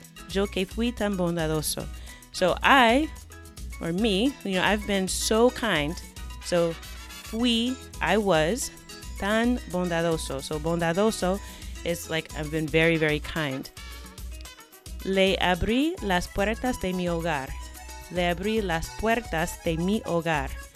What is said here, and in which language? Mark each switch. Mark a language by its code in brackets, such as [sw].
[es] Yo que fui tan bondadoso. [en] So I, or me, you know, I've been so kind. So [es] fui, [en] I was, [es] tan bondadoso. [en] So bondadoso is like I've been very, very kind. [es] Le abrí las puertas de mi hogar. Le abrí las puertas de mi hogar.